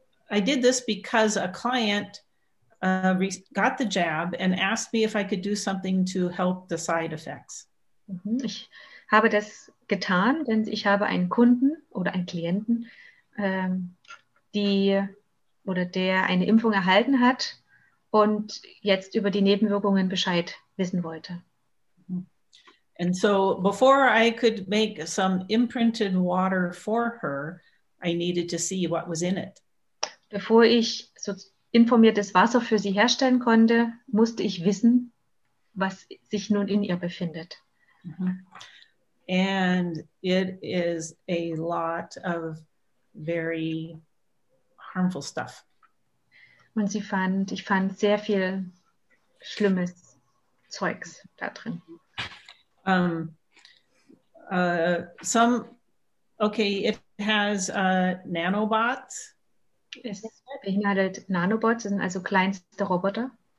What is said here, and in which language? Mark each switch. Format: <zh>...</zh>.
<en>I did this because a client got the jab and asked me if I could do something to help the side effects.</en> <de>Ich habe das getan, denn ich habe einen Kunden oder einen Klienten, der eine Impfung erhalten hat und jetzt über die Nebenwirkungen Bescheid wissen wollte.</de> <en>And so before I could make some imprinted water for her, I needed to see what was in it.</en> <de>Bevor ich so informiertes Wasser für sie herstellen konnte, musste ich wissen, was sich nun in ihr befindet. Mm-hmm.</de> <en>And it is a lot of very harmful stuff.</en> <de>Und ich fand sehr viel schlimmes Zeugs da drin.</de> <en>It has nanobots.</en> <de>Es beinhaltet Nanobots, das sind also kleinste Roboter.</de>